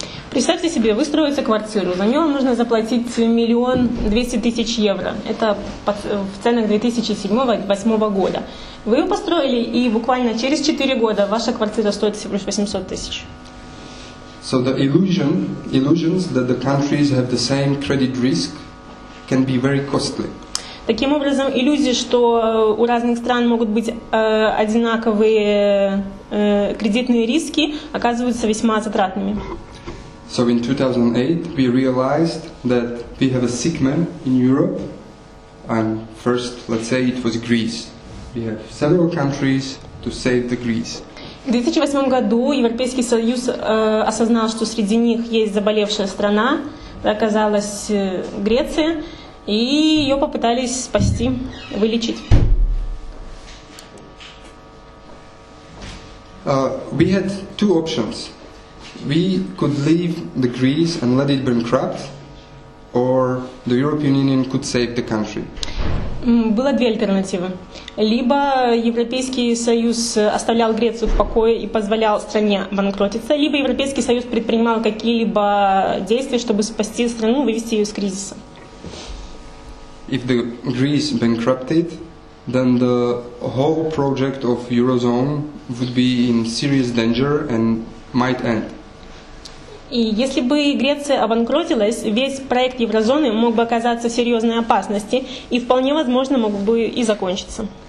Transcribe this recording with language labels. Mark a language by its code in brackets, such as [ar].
[ru] Представьте себе, вы строите квартиру, за нее нужно заплатить 1,200,000 евро. Это в ценах 2007-2008 года. Вы ее построили, и буквально через 4 года ваша квартира стоит всего лишь 800,000. [en] So the illusions that the countries have the same credit risk can be very costly. [ru] Таким образом, иллюзии, что у разных стран могут быть одинаковые кредитные риски, оказываются весьма затратными. [en] So in 2008 we realized that we have a sick man in Europe, and first let's say it was Greece. We have several countries to save the Greece. [ru] В 2008 году Европейский Союз осознал, что среди них есть заболевшая страна, оказалась Греция, и ее попытались спасти, вылечить. [en] We had two options. We could leave the Greece and let it bankrupt, or the European Union could save the country. [ru] Было две альтернативы. Либо Европейский Союз оставлял Грецию в покое и позволял стране банкротиться, либо Европейский Союз предпринимал какие-либо действия, чтобы спасти страну, вывести ее из кризиса. [en] If the Greece bankrupted, then the whole project of Eurozone would be in serious danger and might end. [ru] И если бы Греция обанкротилась, весь проект еврозоны мог бы оказаться в серьезной опасности и вполне возможно мог бы и закончиться.